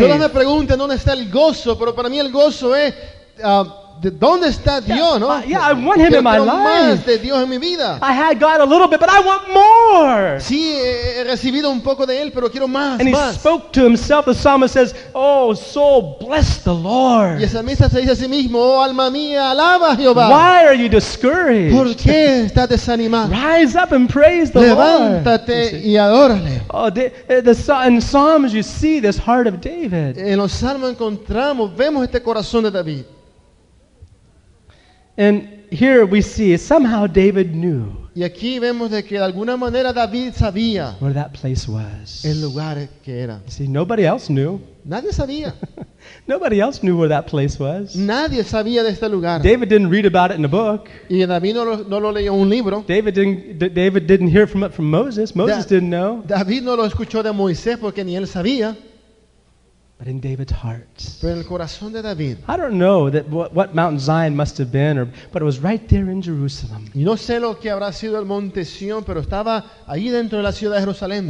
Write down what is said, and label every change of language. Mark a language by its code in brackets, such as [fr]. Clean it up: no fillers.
[es] Todos me preguntan dónde está el gozo, pero para mí el gozo es ¿dónde está Dios, no? [en] Yeah, I want him [es] quiero [en] in my life. [es] Más de Dios en mi vida. [en] I had God a little bit, but I want more. [es] Sí, he recibido un poco de él, pero quiero más. [en] And [es] más. [en] He spoke to himself. The psalmist says, "Oh, soul, bless the Lord." [es] Y el salmista se dice a sí mismo, "Oh, alma mía, alaba a Jehová." [en] Why are you discouraged? [es] ¿Por qué estás desanimado? [en] Rise up and praise the [es] Levántate [en] Lord. [es] Levántate y adórale. [en] Oh, in Psalms you see this heart of David. [es] En los Salmos encontramos, vemos este corazón de David. [en] And here we see somehow David knew. [es] Y aquí vemos de que de alguna manera David sabía [en] where that place was. [es] El lugar que era. [en] See, nobody else knew. [es] Nadie sabía. [en] Nobody else knew where that place was. [es] Nadie sabía de este lugar. [en] David didn't read about it in a book. [es] Y David no lo leyó un libro. [en] David didn't hear from it from Moses. Moses didn't know. [es] David no lo escuchó de Moisés porque ni él sabía. [en] But in David's heart. [es] Pero en el corazón de David. [en] I don't know that what Mount Zion must have been, but it was right there in Jerusalem. [es] Y no sé lo que habrá sido el monte Sion, pero estaba ahí dentro de la ciudad de Jerusalén.